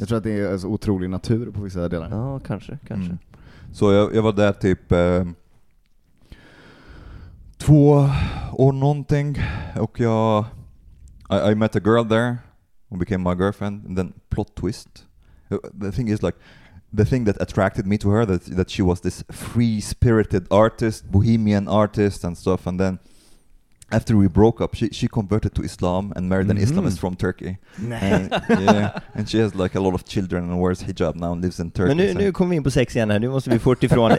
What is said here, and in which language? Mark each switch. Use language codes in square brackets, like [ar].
[sv] Jag tror att det är så otrolig natur på vissa delar. Ja, kanske. Mm. Så jag var där typ 2 år någonting och jag [en] I met a girl there who became my girlfriend and then plot twist. The thing is like the thing that attracted me to her that she was this free spirited artist, bohemian artist and stuff, and then after we broke up she converted to Islam and married an Islamist from Turkey. [sv] Nej. [en] And, yeah, and she has like a lot of children and wears hijab now and lives in Turkey. [sv] Men nu kommer vi in på sex igen här. Nu måste vi fort ifrån.